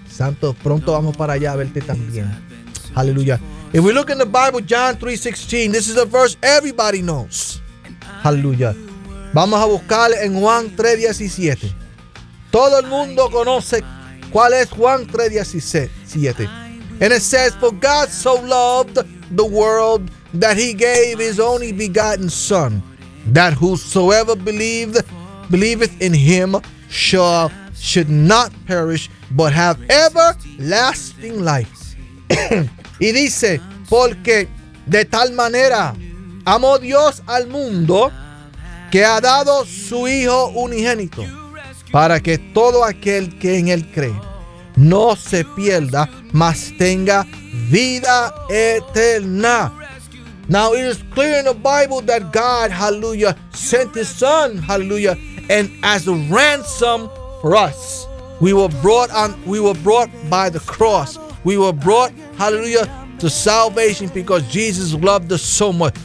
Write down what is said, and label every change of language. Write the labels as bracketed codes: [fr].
[es] Santo, pronto vamos para allá a verte también. [en] Hallelujah. If we look in the Bible, John 3:16, this is a verse everybody knows. Hallelujah. [es] Vamos a buscar en Juan 3:17. Todo el mundo conoce cuál es Juan 3:17. [en] And it says, for God so loved the world that he gave his only begotten son, that whosoever believeth in him should not perish, but have everlasting life. [es] Y dice, porque de tal manera amó Dios al mundo que ha dado su Hijo unigénito para que todo aquel que en él cree no se pierda, mas tenga vida eterna. [en] Now it is clear in the Bible that God, hallelujah, sent his son, hallelujah, and as a ransom for us. We were brought by the cross. We were brought, hallelujah, to salvation because Jesus loved us so much.